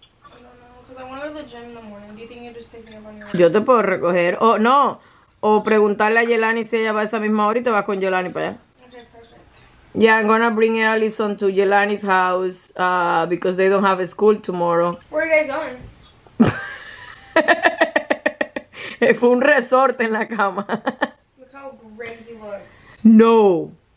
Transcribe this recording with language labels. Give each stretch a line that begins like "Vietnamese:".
English: No, because I want to go to the gym in the morning. Do you think you're just picking up on your own?
Spanish: Yo te puedo recoger.
English: Oh, no.
Spanish: O preguntarle a Yelani si ella va a esa misma hora y te vas con Yelani para allá.
English: Okay, perfect. Yeah, I'm gonna bring Allison to Yelani's house because they don't have a school tomorrow. Where are you guys going?
Spanish: Fue un resorte en la cama.
English: Look how great he looks. No.